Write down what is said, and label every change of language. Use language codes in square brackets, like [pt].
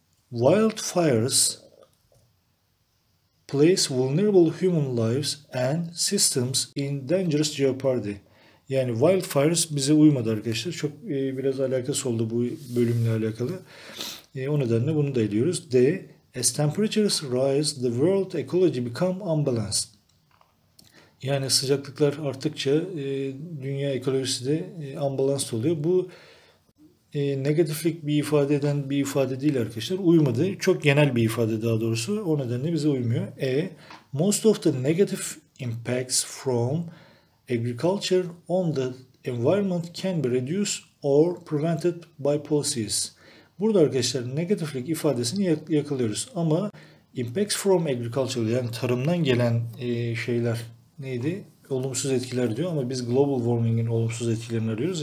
[en] Wildfires place vulnerable human lives and systems in dangerous jeopardy. [tr] Yani wildfires bize uymadı arkadaşlar. Çok biraz alakası oldu bu bölümle alakalı. O nedenle bunu da ediyoruz. D. [en] As temperatures rise, the world ecology become unbalanced. [tr] Yani sıcaklıklar arttıkça dünya ekolojisi de unbalanced oluyor. Bu negatiflik bir ifade eden bir ifade değil arkadaşlar. Uymadı. Çok genel bir ifade daha doğrusu. O nedenle bize uymuyor. E. [en] Most of the negative impacts from agriculture on the environment can be reduced or prevented by policies. [tr] Burada arkadaşlar negatiflik ifadesini yakalıyoruz. Ama [en] impacts from agriculture, [tr] yani tarımdan gelen şeyler neydi? Olumsuz etkiler diyor ama biz global warming'in olumsuz etkilerini arıyoruz.